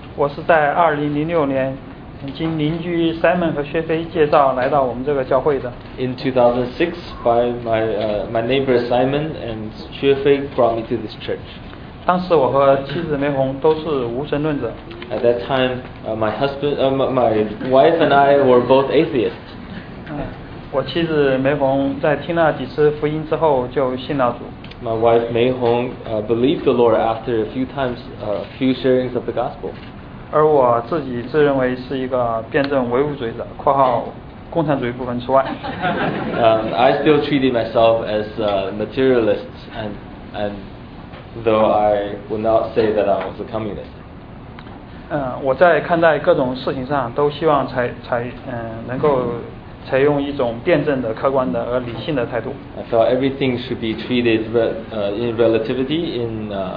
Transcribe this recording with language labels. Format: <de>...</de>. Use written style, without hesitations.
<zh>我是在2006年经邻居 Simon 和薛飞介绍来到我们这个教会的。</zh> <en>In 2006, by my neighbor Simon and 薛飞 brought me to this church.</en> <zh>当时我和妻子梅红都是无神论者。</zh> <en>At that time, my wife and I were both atheists.</en> <zh>我妻子梅红在听了几次福音之后就信了主。</zh> <en>My wife Mei Hong believed the Lord after a few sharings of the gospel.</en> <zh>而我自己自认为是一个辩证唯物主义者（括号共产主义部分除外）。</zh> <en>I still treated myself as a materialist, and though I would not say that I was a communist.</en> <zh>我在看待各种事情上都希望能够采用一种辩证的、客观的而理性的态度。</zh> <en>I thought everything should be treated in relativity in.</en>